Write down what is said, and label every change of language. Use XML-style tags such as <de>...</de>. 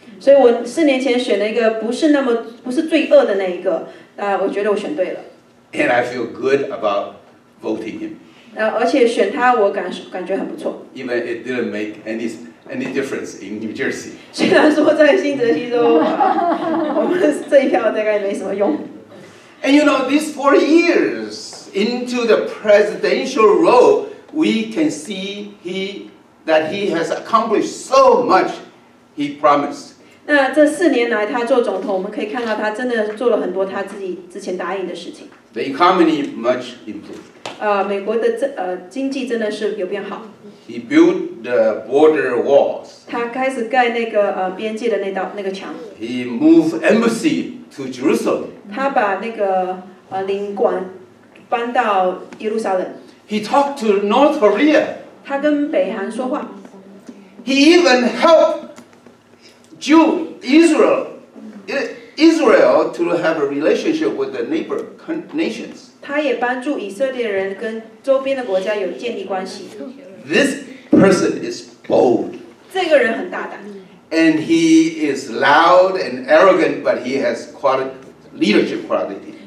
<zh>所以我四年前选了一个不是最恶的那一个，我觉得我选对了。</zh> <en>And I feel good about voting him.</en> <zh>而且选他我感觉很不错。</zh> <en>Even it didn't make any difference in New Jersey.</en> <zh>虽然说在新泽西州，我们这一票大概没什么用。</zh> <en>And you know, these 4 years into the presidential role, we can see that he has accomplished so much he promised.</en> <zh>那这四年来他做总统，我们可以看到他真的做了很多他自己之前答应的事情。</zh> <en>The economy much improved.</en> <zh>美国的经济真的是有变好。</zh> <en>He built the border walls.</en> <zh>他开始盖那个边界的那个墙。</zh> <en>He moved embassy to Jerusalem.</en> <zh>他把那个领馆搬到耶路撒冷。</zh> <en>He talked to North Korea.</en> <zh>他跟北韩说话。</zh> <en>He even helped Israel to have a relationship with the neighbor nations.</en> <zh>他也帮助以色列人跟周边的国家有建立关系。</zh> <en>This person is bold.</en> <zh>这个人很大胆。</zh> <en>And he is loud and arrogant, but he has leadership quality.</en>